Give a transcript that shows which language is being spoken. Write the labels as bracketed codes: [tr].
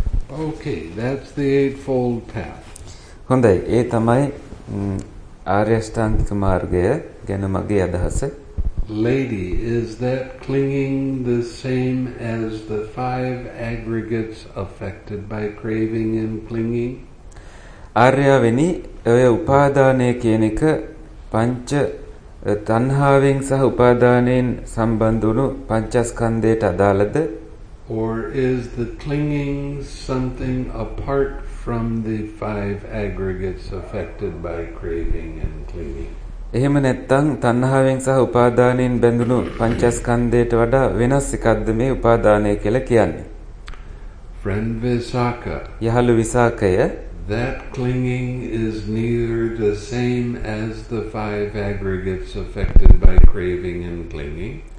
[en] Okay, that's the Eightfold Path. [si] හොඳයි, ඒ තමයි ආර්ය අෂ්ටාංගික මාර්ගය ගැන මගේ අදහස. [en] Lady, is that clinging the same as the five aggregates affected by craving and clinging? [si] ආර්යවෙනි, ඔය උපාදානය කියන එක පංච තණ්හාවෙන් සහ උපාදානයෙන් සම්බන්ධ වුණු පංචස්කන්ධයට අදාළද? [en] Or is the clinging something apart from the five aggregates affected by craving and clinging? [si] එහෙම නැත්නම් තණ්හාවෙන් සහ උපාදානයෙන් බැඳුණු පංචස්කන්ධයට වඩා වෙනස් එකක්ද මේ උපාදානය කියලා කියන්නේ? [en] Friend Visakha. [si] යහළු විසාකය. [en] That clinging is neither the same as the five aggregates affected by craving and clinging.